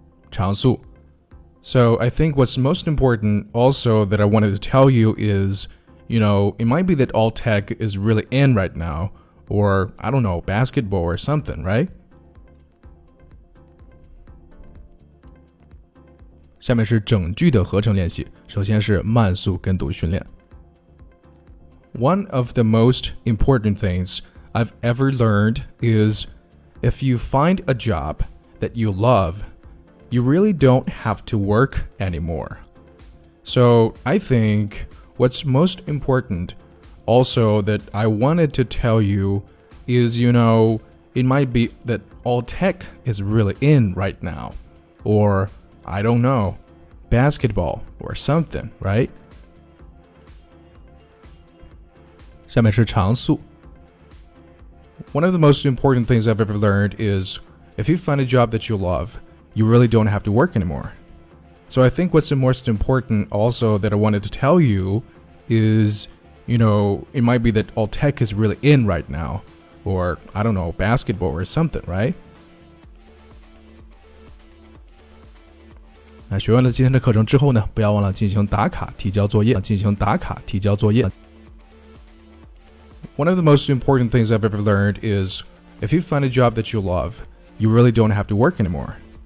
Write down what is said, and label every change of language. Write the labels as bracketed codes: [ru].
[zh] 常数 [en] So I think what's most important also that I wanted to tell you is, you know, it might be that all tech is really in right now, or I don't know, basketball or something, right? [zh] 下面是整句的合成练习，首先是慢速跟读训练。 [en] One of the most important thingsI've ever learned is if you find a job that you love, you really don't have to work anymore. So I think what's most important also that I wanted to tell you is, you know, it might be that all tech is really in right now, or I don't know, basketball or something, right? [zh] 下面是常数。 [en] One of the most important things I've ever learned is if you find a job that you love, you really don't have to work anymore. So I think what's the most important also that I wanted to tell you is, you know, it might be that all tech is really in right now, or I don't know, basketball or something, right? [zh] 那学完了今天的课程之后呢，不要忘了进行打卡提交作业，进行打卡提交作业。 [en] One of the most important things I've ever learned is if you find a job that you love, you really don't have to work anymore.